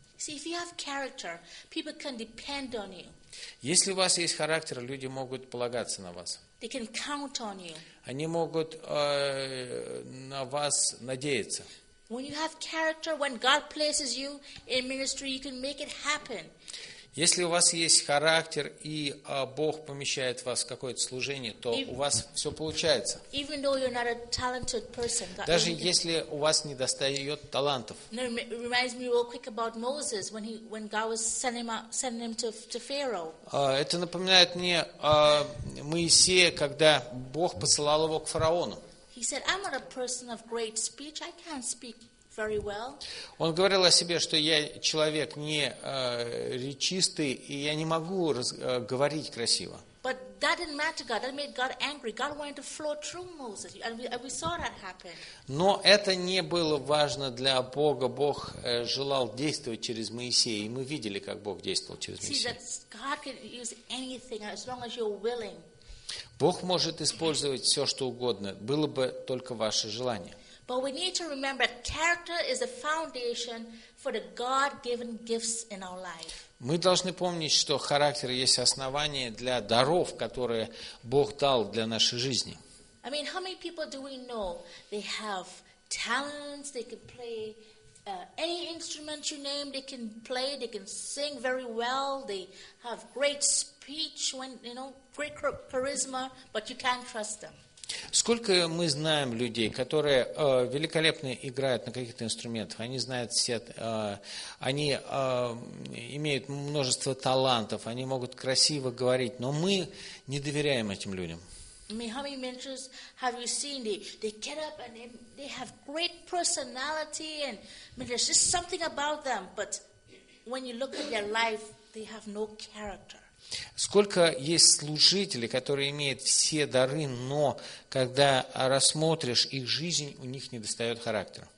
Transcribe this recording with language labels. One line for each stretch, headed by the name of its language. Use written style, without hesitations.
English: See, if you have character, people can depend on you.
Russian: Если у вас есть характер, люди могут полагаться на вас.
English: They can count on you.
Russian: Они могут на вас надеяться.
English: When you have character, when God places you in ministry, you can make it happen.
Russian: Если у вас есть характер и Бог помещает вас в какое-то служение, то у вас все получается.
English: Even though you're not a talented person, God,
Russian: даже если у вас не достает талантов.
English: No, it reminds me real quick about Moses when God was sending him to Pharaoh.
Russian: Это напоминает мне Моисея, когда Бог посылал его к фараону.
English: He said, "I'm not a person of great speech. I can't speak." Very well.
Russian: Он говорил о себе, что я человек не речистый, и я не могу говорить красиво.
English: But that didn't matter. God. That made God angry. God wanted to flow through Moses, and we saw that happen.
Russian: Но это не было важно для Бога. Бог желал действовать через Моисея, и мы видели, как Бог действовал через Моисея.
English: See, that God can use anything as long as you're willing.
Russian: Бог может использовать все, что угодно, было бы только ваше желание.
English: But we need to remember that character is the foundation for the God-given gifts in our life.
Russian: Мы должны помнить, что характер есть основание для даров, которые Бог дал для нашей жизни.
English: I mean, how many people do we know? They have talents. They can play any instrument you name. They can play. They can sing very well. They have great speech. When you know, great charisma, but you can't trust them.
Russian: Сколько мы знаем людей, которые великолепно играют на каких-то инструментах, они знают все, они имеют множество талантов, они могут красиво говорить, но мы не доверяем этим людям.
English: I mean, how many mentors have you seen? They get up and they have great personality, and I mean, there's just something about them, but when you look at their life, they have no character.
Russian: Сколько есть служителей, которые имеют все дары, но когда рассмотришь их жизнь, у них недостает характера.